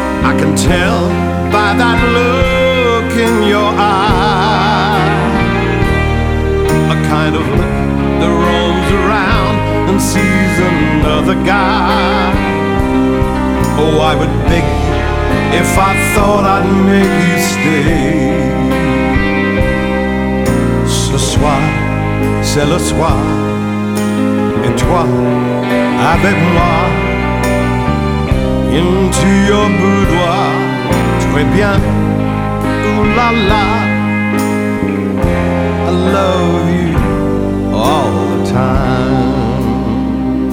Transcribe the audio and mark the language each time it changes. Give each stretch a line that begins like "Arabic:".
English: I can tell by that look in your eye, a kind of look that roams around and sees another guy. Oh, I would beg you if I thought I'd make you stay.
French: Ce soir, c'est le soir, et toi, avec moi,
English: into your boudoir,
French: très bien.
English: La la, I love you all the time.